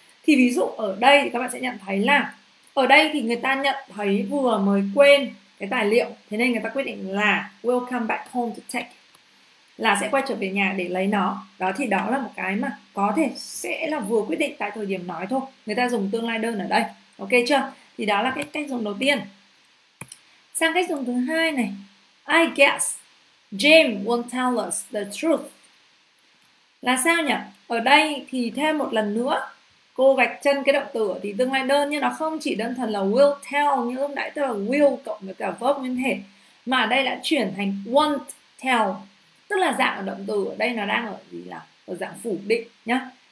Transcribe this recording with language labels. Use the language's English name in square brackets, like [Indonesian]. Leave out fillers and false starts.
[Vietnamese] Thì ví dụ ở đây thì các bạn sẽ nhận thấy là ở đây thì người ta nhận thấy vừa mới quên cái tài liệu, thế nên người ta quyết định là [English] will come back home to take, [Vietnamese] là sẽ quay trở về nhà để lấy nó. Đó thì đó là một cái mà có thể sẽ là vừa quyết định tại thời điểm nói thôi. Người ta dùng tương lai đơn ở đây. Ok chưa? Thì đó là cái cách dùng đầu tiên. Sang cách dùng thứ hai này. [English] I guess James won't tell us the truth. [Vietnamese] Là sao nhỉ? Ở đây thì thêm một lần nữa cô gạch chân cái động từ ở thì tương lai đơn nhưng nó không chỉ đơn thuần là will tell như lúc nãy tức là will cộng với cả verb nguyên thể mà đây đã chuyển thành won't tell tức là dạng ở động từ ở đây nó đang ở gì là ở dạng phủ định nhá.